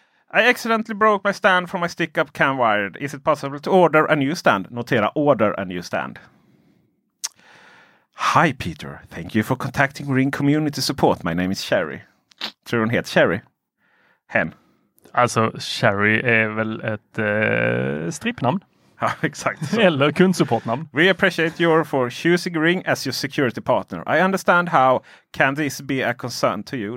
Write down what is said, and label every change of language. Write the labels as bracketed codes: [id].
[en] I accidentally broke my stand from my stick up cam wired. Is it possible to order a new stand? Notera, order a new stand. Hi Peter, thank you for contacting Ring Community Support. My name is Sherry. [sv] Tror hon heter Sherry? Hen. Alltså, Sherry är väl ett strippnamn? Ja, exakt. Eller kundsupportnamn. [en] We appreciate you for choosing Ring as your security partner. I understand how can this be a concern to you.